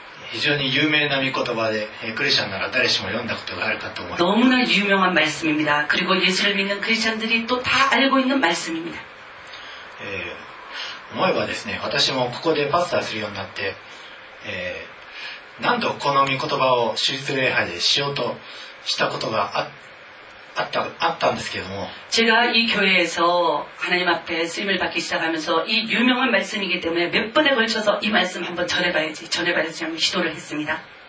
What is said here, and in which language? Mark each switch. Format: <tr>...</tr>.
<ja>非常に有名な御言葉で、クリスチャンなら誰しも読んだことがあるかと思います。</ja> <ko>너무나유명한말씀입니다。 그리고예수를믿는크리스천들이또다알고있는말씀입니다。</ko> <ja>思えばですね、私もここでパスターするようになって、何度この御言葉を主日礼拝でしようとしたことが あったんですけども。</ja> <ko>제가이교회에서하나님앞에쓰임을받기시작하면서이유명한말씀이기때문에몇번에걸쳐서이말씀한번전해봐야지하면시도를했습니다</ko>